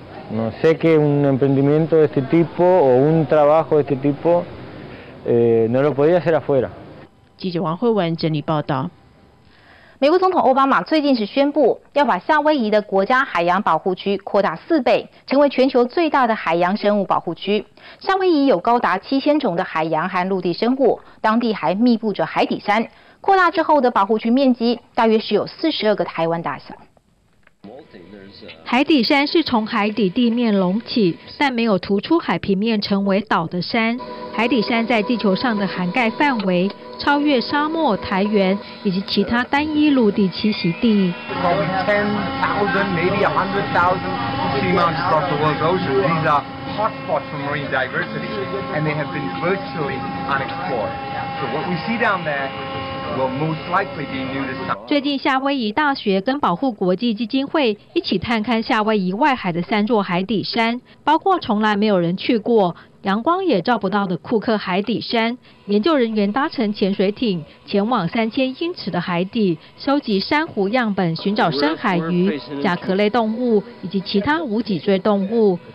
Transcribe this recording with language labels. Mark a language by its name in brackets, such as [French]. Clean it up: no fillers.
[Spanish] No sé que un emprendimiento de este tipo o un trabajo de este tipo no lo podía hacer afuera. [Chinese] 记者王慧文整理报道。美国总统奥巴马最近是宣布要把夏威夷的国家海洋保护区扩大4倍，成为全球最大的海洋生物保护区。夏威夷有高达7000种的海洋和陆地生物，当地还密布着海底山。扩大之后的保护区面积大约是有42个台湾大小。海底山是从海底地面隆起，但没有突出海平面成为岛的山。海底山在地球上的涵盖范围超越沙漠、苔原以及其他单一陆地栖息地。 [English] From 10,000, maybe 100,000 seamounts across the world's oceans, these are hotspots for marine diversity, and they have been virtually unexplored. So what we see down there. [Chinese] 最近夏威夷大学跟保护国际基金会一起探勘夏威夷外海的3座海底山，包括从来没有人去过、阳光也照不到的库克海底山，研究人员搭乘潜水艇前往3000英尺的海底，收集珊瑚样本，寻找深海鱼、甲壳类动物以及其他无脊椎动物。